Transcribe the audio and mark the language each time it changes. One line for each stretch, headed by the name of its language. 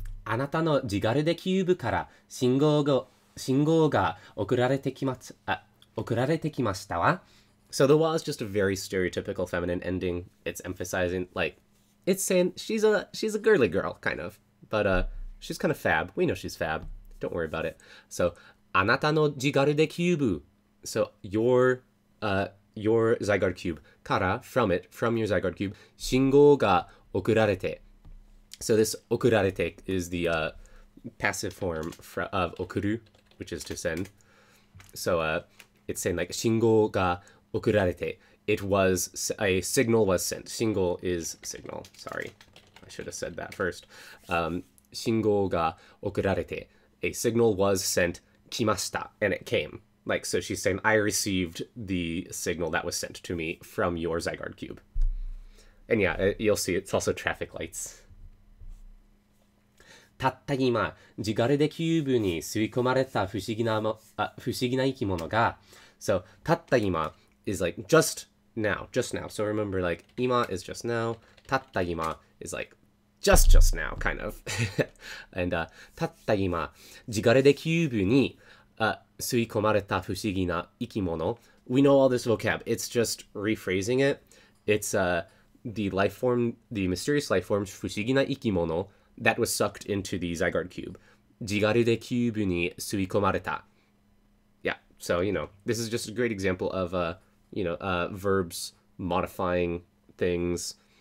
Japanese: あなたのジガルデキューブから信号が送られてきましたわ。
English: So the wa is just a very stereotypical feminine ending. It's emphasizing, like, it's saying she's a girly girl, kind of. But she's kind of fab. We know she's fab. Don't worry about it. So,
Japanese: あなたのジガルデキューブ。
English: So, your Zygarde cube から、from your Zygarde cube,
Japanese: 信号が送られて。
English: So this okurarete is the passive form of okuru, which is to send. So it's saying like
Japanese: shingo ga okurarete.
English: It was a signal was sent. Shingo is signal. Sorry, I should have said that first.
Japanese: Shingo ga okurarete.
English: A signal was sent. Kimashita, and it came. Like so, she's saying I received the signal that was sent to me from your Zygarde cube. And yeah, you'll see it's also traffic lights.
Japanese: たった今、ジガルデキューブに吸い込まれた不思議な生き物が、
English: So, たった今 is like just now, so remember like 今 is just now, たった今 is like just now, kind of, and
Japanese: たった今、ジガルデキューブに吸い込まれた不思議な生き物、
English: We know all this vocab, it's just rephrasing it, it's the life form, the mysterious life form,
Japanese: 不思議な生き物、
English: That was sucked into the Zygarde cube.
Japanese: Jigarude cube ni sui komareta.
English: Yeah, so, you know, this is just a great example of, verbs modifying things.